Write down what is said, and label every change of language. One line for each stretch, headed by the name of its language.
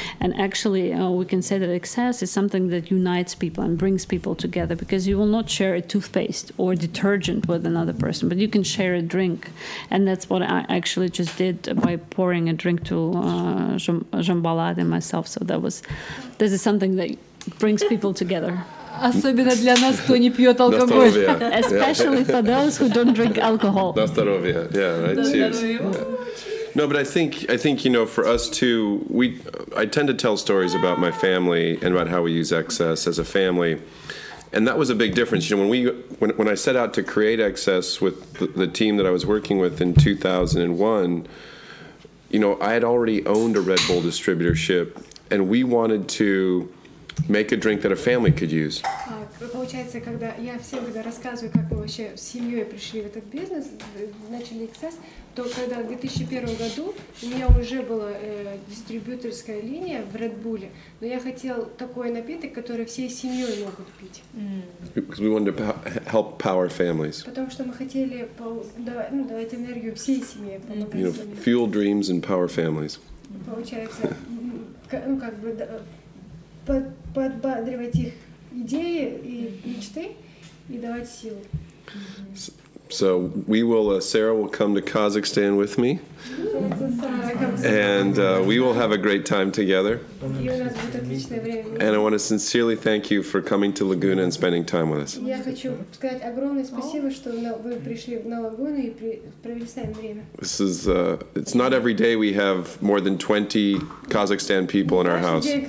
English: And actually, we can say that XS is something that unites people and brings people together, because you will not share a toothpaste or detergent with another person, but you can share a drink. And that's what I actually just did by pouring a drink to Jean-Balade and myself. So this is something that brings people together.
Russian: Особенно для нас, кто не пьет алкоголь.
English: Especially yeah. for those who don't drink alcohol.
Russian: На здоровье.
English: Yeah, right. Cheers. No, but I think you know, for us too, I tend to tell stories about my family and about how we use XS as a family, and that was a big difference. You know, when I set out to create XS with the team that I was working with in 2001, you know, I had already owned a Red Bull distributorship, and we wanted to make a drink that a family could use.
Russian: Получается, когда я всем когда рассказываю, как мы вообще с семьей пришли в этот бизнес, начали XS, то когда в 2001 году у меня уже была дистрибьюторская линия в Red Bull, но я хотел такой напиток, который всей семьей могут пить.
English: Because we wanted to help power families.
Russian: Потому что мы хотели давать энергию всей семье, помогать семье.
English: Fuel dreams and power families.
Russian: Получается, ну как бы да. Подбадривать их идеи и мечты и давать силу.
English: So we will, Sarah will come to Kazakhstan with me, and we will have a great time together. And I want to sincerely thank you for coming to Laguna and spending time with us.
Russian: Я хочу сказать огромное спасибо, что вы пришли на Лагуну и провели с нами время.
English: This is it's not every day we have more than 20 Kazakhstan people in our house.